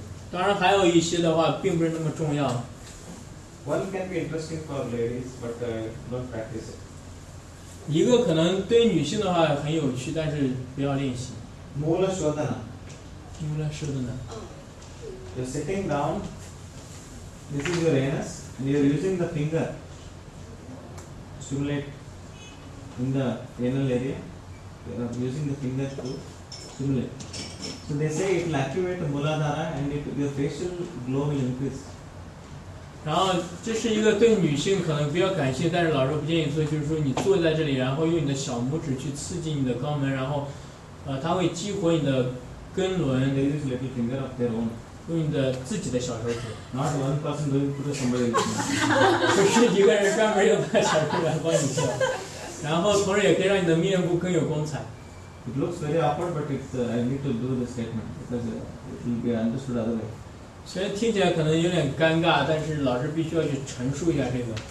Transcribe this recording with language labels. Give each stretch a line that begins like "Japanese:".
Chinese: 当然还有一些的话并不是那么重要。
English: One can be interesting for ladies, but not practice it.
Chinese: 一个可能对女性的话很有趣，但是不要练习。
English: Mula Shodhana. Mula Shodhana. You're sitting down. This is your anus. You're using the finger. Stimulate in the anal area. We are using the fingers to stimulate. So they say it will activate the muladhara and your facial glow will increase.
Chinese: 然后这是一个对女性可能比较感兴趣，但是老师不建议做，就是说你坐在这里，然后用你的小拇指去刺激你的肛门，然后它会激活你的根轮。
English: They use little finger of their own.
Chinese: 用你的自己的小手指。
English: Not one person doing put somebody.
Chinese: 不是一个人专门用他的小手指来帮你做，然后同时也可以让你的面部更有光彩。
English: It looks very awkward, but it's I need to do the statement because it will be understood otherwise.
Chinese: 虽然听起来可能有点尴尬，但是老师必须要去陈述一下这个。